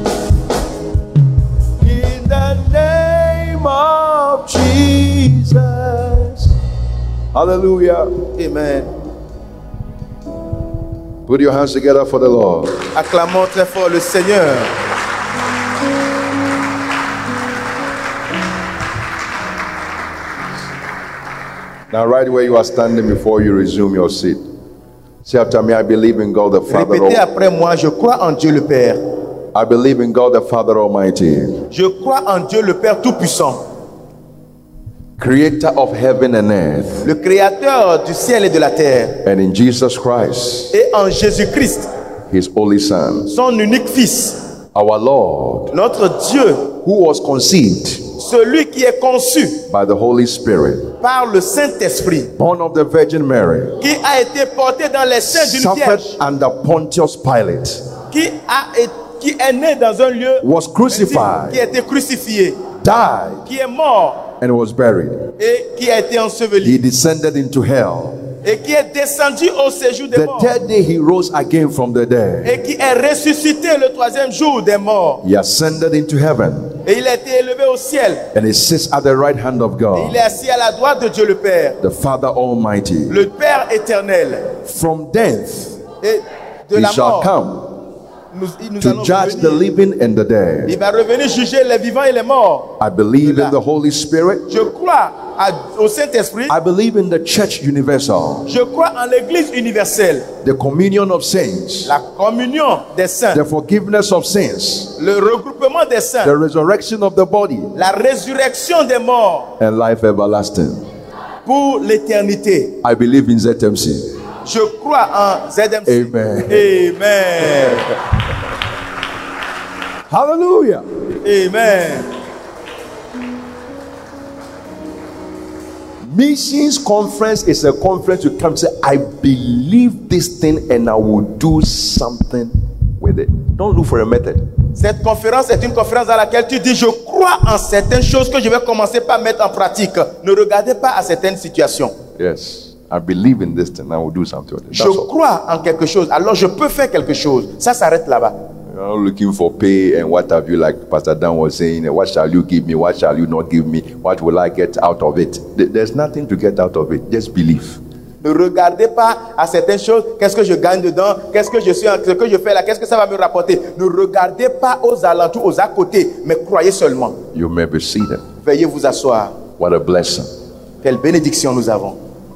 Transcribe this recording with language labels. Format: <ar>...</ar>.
<en>In the name of Jesus. Hallelujah. Amen. Put your hands together for the Lord.</en> <fr>Acclamons très fort le Seigneur.</fr> <en>Now, right where you are standing before you resume your seat, say after me, I believe in God the Father.</en> <fr>Répétez après moi, je crois en Dieu le Père.</fr> <en>I believe in God the Father Almighty.</en> <fr>Je crois en Dieu le Père Tout-Puissant.</fr> <en>Creator of heaven and earth.</en> <fr>Le créateur du ciel et de la terre.</fr> <en>And in Jesus Christ.</en> <fr>Et en Jésus-Christ.</fr> <en>His only son.</en> <fr>Son unique fils.</fr> <en>Our Lord.</en> <fr>Notre Dieu.</fr> <en>Who was conceived.</en> <fr>Celui qui est conçu.</fr> <en>By the Holy Spirit.</en> <fr>Par le Saint-Esprit.</fr> <en>Born of the Virgin Mary.</en> <fr>Qui a été porté dans les seins d'une vierge.</fr> <en>Suffered under Pontius Pilate.</en> <fr>Qui est né dans un lieu.</fr> <en>Was crucified.</en> <fr>Qui a été crucifié.</fr> <en>Died.</en> <fr>Qui est mort.</fr> <en>And was buried.</en> <fr>Et qui a été enseveli.</fr> <en>He descended into hell.</en> <fr>Et qui est descendu au séjour des</fr> <en>the</en> <fr>morts.</fr> <en>Third day he rose again from the dead.</en> <fr>Et qui est ressuscité le troisième jour des morts.</fr> <en>He ascended into heaven.</en> <fr>Et il a été élevé au ciel.</fr> <en>And he sits at the right hand of God.</en> <fr>Et il est assis à la droite de Dieu le Père.</fr> <en>The Father Almighty.</en> <fr>Le Père éternel.</fr> <en>From death.</en> <fr>Et de la mort.</fr> <en>He shall come. To judge</en> <fr>revenir.</fr> <en>The living and the dead.</en> <fr>Il va revenir juger les vivants et les morts.</fr> <en>I believe in the Holy Spirit.</en> <fr>Je crois au Saint-Esprit.</fr> <en>I believe in the Church Universal.</en> <fr>Je crois en l'Église universelle.</fr> <en>The communion of saints.</en> <fr>La communion des saints.</fr> <en>The forgiveness of sins.</en> <fr>Le regroupement des saints.</fr> <en>The resurrection of the body.</en> <fr>La résurrection des morts.</fr> <en>And life everlasting.</en> <fr>Pour l'éternité.</fr> <en>I believe in ZMC.</en> <fr>Je crois en ZMC.</fr> <en>Amen. Amen. Hallelujah. Amen. Missions Conference is a conference you come to say, I believe this thing and I will do something with it. Don't look for a method.</en> <fr>Cette conférence est une conférence dans laquelle tu dis, je crois en certaines choses que je vais commencer par mettre en pratique. Ne regardez pas à certaines situations.</fr> <en>Yes. I believe in this thing. I will do something with it.</en> <fr>Je crois en quelque chose. Alors je peux faire quelque chose. Ça s'arrête là-bas.</fr> <en>You're not looking for pay and what have you, like Pastor Dan was saying. What shall you give me? What shall you not give me? What will I get out of it? There's nothing to get out of it. Just believe.</en> <fr>Ne regardez pas à certaines choses. Qu'est-ce que je gagne dedans? Qu'est-ce que je suis en ce que je fais là? Qu'est-ce que ça va me rapporter? Ne regardez pas aux alentours, aux à côté, mais croyez seulement.</fr> <en>You may be seated.</en> <fr>Veuillez vous asseoir.</fr> <en>What a blessing.</en> <fr>Quelle bénédiction nous avons.</fr>